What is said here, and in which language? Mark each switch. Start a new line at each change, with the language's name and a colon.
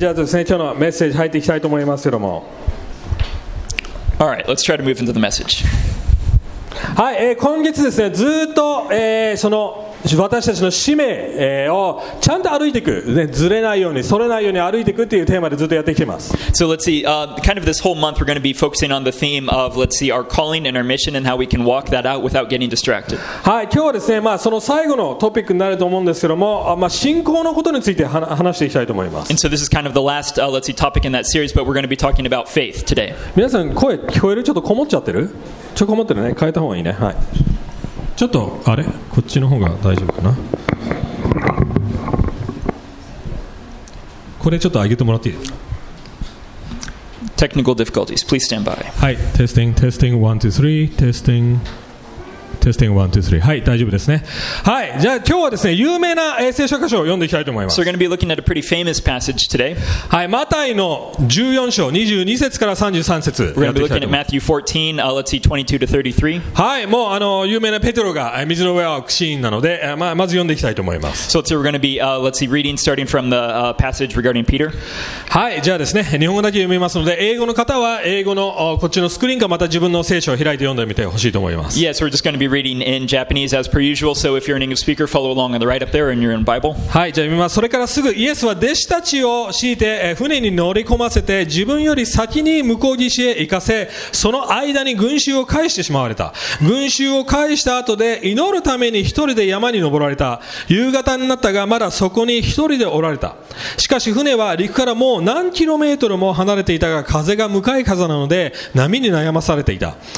Japanese: じゃあ先生のメッセージ入っていきたいと思いますけども。
English: All right, let's try to move into the message.
Japanese: はい、今月ですね、ずっと、その私たちの使命、をちゃんと歩いていく、ね、ずれないように、それないように歩いていくっていうテーマでずっとやってきてます。
English: So let's see, kind of this whole month we're going to be focusing on the theme of, let's see, our calling and our mission and how we can walk that out without getting distracted.
Japanese: はい、今日はですね、まあ、その最後のトピックになると思うんですけども、まあ、信仰のことについて話していきたいと思います。
English: And so this is kind of the last, let's see, topic in that series, but we're going to be talking about faith today.
Japanese: 皆さん、声聞こえる？ちょっとこもっちゃってる？ちょっとこもってるね。変えた方がいいね。はい。ちょっとあれこっちの方が大丈夫かな。これちょっと上げてもらっていいですか。
English: Technical difficulties. Please stand by. はい、testing 1 2 3 testing 1 2 3。
Japanese: はい、大丈夫ですね。はい、じゃあ今日はですね、有名な聖書箇所を読んでいきたいと思います。
English: So we're going to be looking at a pretty famous passage today.
Japanese: はい、マタイの14章22節から33節。
English: We're going to be looking at Matthew 14, let's see, 22 to 33.
Japanese: はい、もう有名なペテロが水の上を歩くシーンなので、まず読んでいきたいと思います。
English: So we're going to be, let's see, reading starting from the passage regarding Peter.
Japanese: はい、じゃあですね、日本語だけ読みますので、英語の方は英語のこっちのスクリーンかまた自分の聖書を開いて読んでみてほしいと思います。
English: Yes, we're just going to be reading in Japanese as per usual. So if you're an English speaker, follow along on the right up there in your own Bible.
Japanese: はい、じゃあ今それからすぐイエスは弟子たちを敷いて船に乗り込ませて自分より先に向こう岸へ行かせ、その間に群衆を返してしまわれた。群衆を返した後で祈るために一人で山に登られた。夕方になったがまだそこに一人でおられた。しかし船は陸からもう何キロメートルも離れていたが、風が向かい風なので波に悩まされていた。